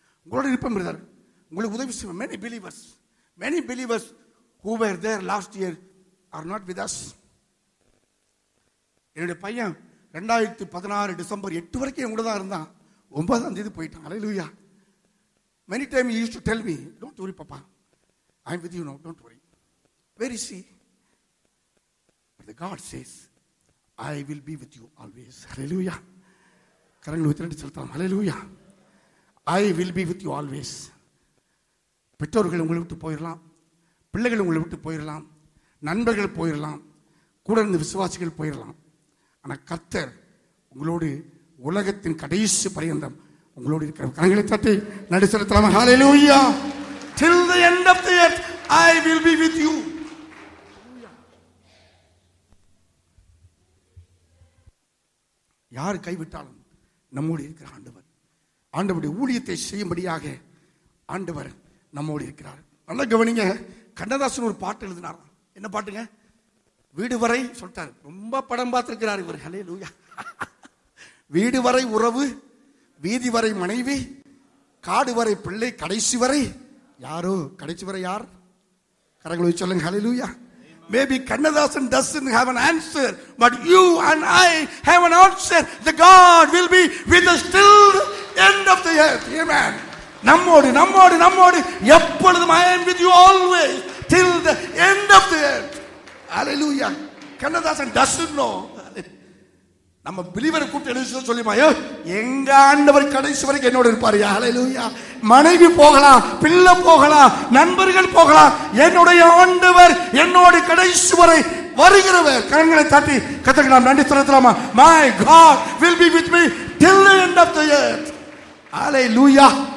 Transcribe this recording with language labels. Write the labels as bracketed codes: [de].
[ta] உங்களோட இருப்பேன் பிரதர், உங்களுக்கு உதவி செய்வேன். [en] Many believers who were there last year are not with us. [ta] என்னுடைய பையன் 2016 டிசம்பர் 8 வரைக்கும் எங்கூட தான் இருந்தான். 9th தேதி போயிட்டான். அல்லேலூயா. [en] Many times he used to tell me, don't worry papa, I'm with you now, don't worry. Where is he? But the God says, I will be with you always. Hallelujah. [ta] கரங்களை உயர்த்தி செலுத்தலாம். [en] Hallelujah. I will be with you always. [ta] பெற்றோர்கள் உங்களை விட்டு போயிடலாம், பிள்ளைகள் உங்களை விட்டு போயிடலாம், நண்பர்கள் போயிடலாம், கூட இருந்த விசுவாசிகள் போயிடலாம். ஆனால் கர்த்தர் உங்களோடு உலகத்தின் கடைசி பரியந்தம் உங்களோடு இருக்கிற கரங்களை தட்டி நடு செலுத்தலாம். [en] Hallelujah. Till the end of the earth, I will be with you. [ta] யார் கைவிட்டாலும் நம்மோடு இருக்கிற ஆண்டவர், ஆண்டவருடைய ஊழியத்தை செய்யும்படியாக ஆண்டவர் நம்மோடு இருக்கிறார். நல்ல கவனிங்க, கண்ணதாசன் ஒரு பாட்டு எழுதினார். என்ன பாட்டுங்க? வீடு வரை சொல்லிட்டார். ரொம்ப படம் பார்த்துருக்கிறார் இவர். ஹல்லேலூயா. வீடு வரை உறவு, வீதி வரை மனைவி, காடு வரை பிள்ளை, கடைசி வரை யாரோ, கடைசி வரை யார்? கரங்களை சொல்லுங்க. ஹல்லேலூயா. [en] Maybe Kannadasan doesn't have an answer, but you and I have an answer. The God will be with us till the end of the earth. Amen. [ta] Nammodu. Eppozhudhum [en] I am with you always till the end of the earth. Hallelujah. Kannadasan doesn't know. [ta] நம்ம believer கூட்டு எழுதி சொல்லிமாயோ, எங்க ஆண்டவர் கடைசி வரைக்கும் என்னோட இருப்பாரு. ஹல்லேலூயா. மனைவி போகலாம், பிள்ளை போகலாம், நண்பர்கள் போகலாம், என்னுடைய ஆண்டவர் என்னோட கடைசி வரை வருகிறவர். கரங்களை தட்டி கத்துக்கு நாம் நன்றி செலுத்தலாமா? [en] My God will be with me till the end of the earth. ஹல்லேலூயா.